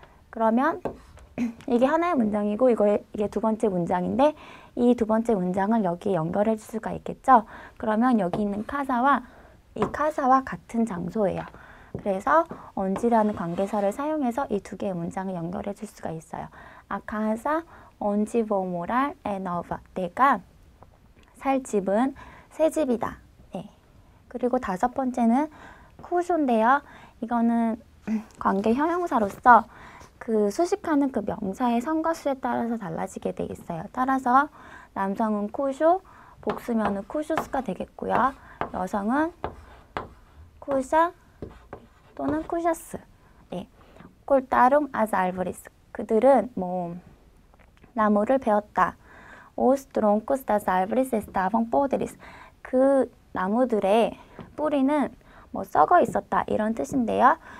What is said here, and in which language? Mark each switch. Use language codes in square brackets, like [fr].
[ko] 그러면 이게 하나의 문장이고, 이게 두 번째 문장인데, 이두 번째 문장을 여기에 연결해 줄 수가 있겠죠? 그러면 여기 있는 casa와 이 casa와 같은 장소예요. 그래서 onde라는 관계사를 사용해서 이두 개의 문장을 연결해 줄 수가 있어요. [pt] A casa onde vou morar é nova. [ko] 내가 살 집은 새 집이다. 그리고 다섯 번째는 cujo인데요. 이거는 관계 형용사로서 그 수식하는 그 명사의 성과 수에 따라서 달라지게 돼 있어요. 따라서 남성은 cujo, 복수면은 cujus가 되겠고요. 여성은 cuja 또는 cujas. [pt] 네. Cortaram as árvores. [ko] 그들은 뭐 나무를 베었다. [pt] Os troncos das árvores estavam podres. [ko] 그 나무들의 뿌리는 뭐 썩어 있었다 이런 뜻인데요.